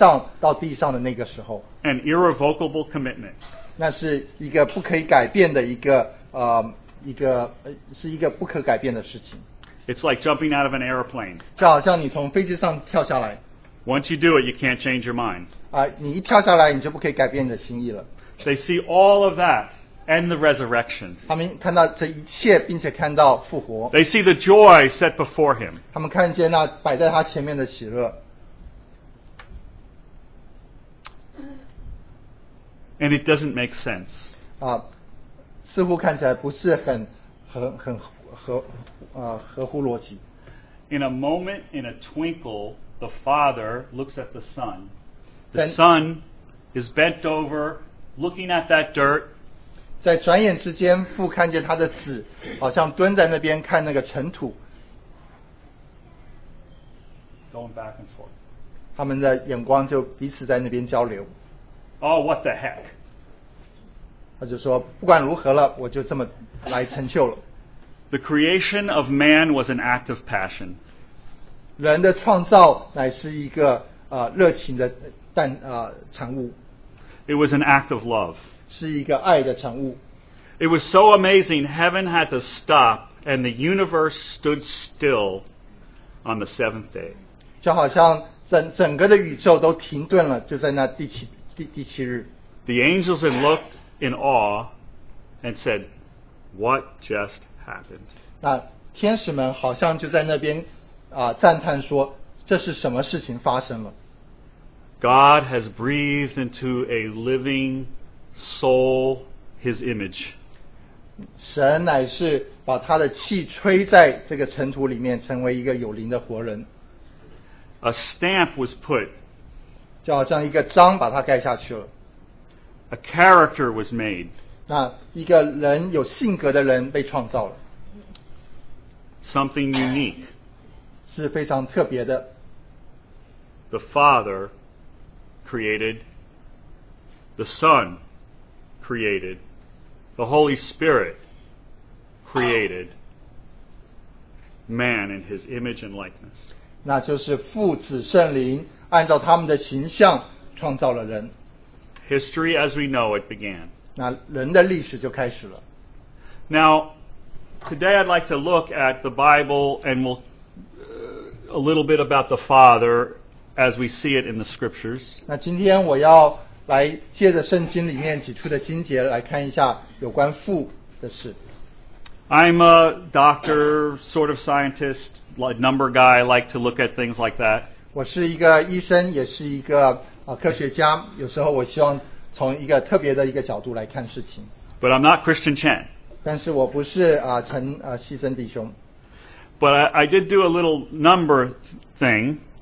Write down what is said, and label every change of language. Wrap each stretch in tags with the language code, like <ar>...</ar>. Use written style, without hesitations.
<zh>那父神也看见他的子如何从天上到地上的那个时候。</zh> <en>An irrevocable commitment.</en> <zh>那是一个不可以改变的一个，是一个不可改变的事情。</zh> <en>It's like jumping out of an airplane.</en> <zh>就好像你从飞机上跳下来。</zh> <en>Once you do it, you can't change your mind.</en> <zh>你一跳下来，你就不可以改变你的心意了。</zh> <en>They see all of that and the resurrection.</en> <zh>他们看到这一切，并且看到复活。</zh> <en>They see the joy set before him.</en> <zh>他们看见那摆在他前面的喜乐。</zh> <en>And it doesn't make sense.</en> <zh>似乎看起来不是很合乎逻辑。</zh> <en>In a moment, in a twinkle, the father looks at the son. The son is bent over, looking at that dirt.</en> <zh>在转眼之间，父看见他的子，好像蹲在那边看那个尘土。</zh> <en>Going back and forth.</en> <zh>他们的眼光就彼此在那边交流。</zh> <en>Oh, what the heck?</en> <zh>他就说，不管如何了，我就这么来成就了。</zh> <en>The creation of man was an act of passion.</en> <zh>人的创造乃是一个热情的产物。</zh> <en>It was an act of love.</en> <zh>是一个爱的产物。</zh> <en>It was so amazing, heaven had to stop and the universe stood still on the seventh day.</en> <zh>就好像整个的宇宙都停顿了，就在那第七日。</zh> <en>The angels had looked in awe and said, what just happened?</en> <zh>那天使们好像就在那边赞叹说，这是什么事情发生了。</zh> <en>God has breathed into a living soul his image.</en> <zh>神乃是把他的气吹在这个尘土里面，成为一个有灵的活人。</zh> <en>A stamp was put.</en> <zh>就好像一个章把它盖下去了。</zh> <en>A character was made.</en> <zh>那一个人有性格的人被创造了。</zh> <en>Something unique.</en> <zh>是非常特别的。</zh> <en>The Father created. The Son created. The Holy Spirit created. Man in his image and likeness.</en> <zh>那就是父子圣灵按照他们的形象创造了人。</zh> <en>History as we know it began.</en> <zh>那人的历史就开始了。</zh> <en>Now, today I'd like to look at the Bible and we'll a little bit about the Father as we see it in the Scriptures.</en> <zh>那今天我要来借着圣经里面几处的经节来看一下有关父的事。</zh> <en>I'm a doctor, sort of scientist. Number guy, I like to look at things like that.</en> <zh>我是一个医生，也是一个科学家。有时候我希望从一个特别的一个角度来看事情。</zh> <en>But I'm not Christian Chan.</en> <zh>但是我不是陈西森弟兄。</zh> <en>But I did do a little number thing.</en>